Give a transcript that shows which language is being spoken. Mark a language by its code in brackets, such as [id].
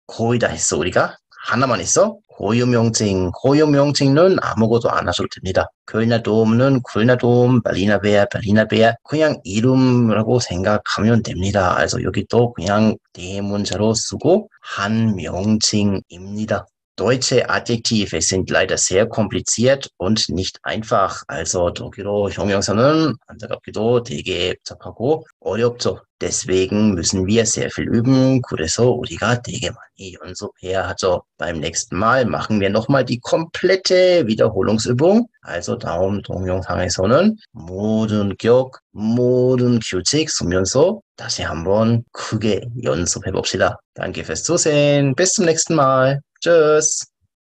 [ko] 거의 다 했어 우리가 하나만 있어. 고유명칭. 고유명칭은 아무것도 안 하셔도 됩니다. 쿨나돔은 쿨나돔, 발리나베아, 발리나베아. 그냥 이름이라고 생각하면 됩니다. 그래서 여기도 그냥 대문자로 쓰고 한 명칭입니다. [de] Deutsche Adjektive sind leider sehr kompliziert und nicht einfach. [ko] Also 독일어 형용사는 안타깝기도 되게 복잡하고 어렵죠. [de] Deswegen müssen wir sehr viel üben. [ko] 그래서 우리가 되게 많이 연습해야 하죠. [de] Beim nächsten Mal machen wir nochmal die komplette Wiederholungsübung. [ko] Also 다음 동영상에서는 모든 격, 모든 규칙 쓰면서 다시 한번 크게 연습해봅시다. [de] Danke fürs Zusehen. Bis zum nächsten Mal. Tschüss.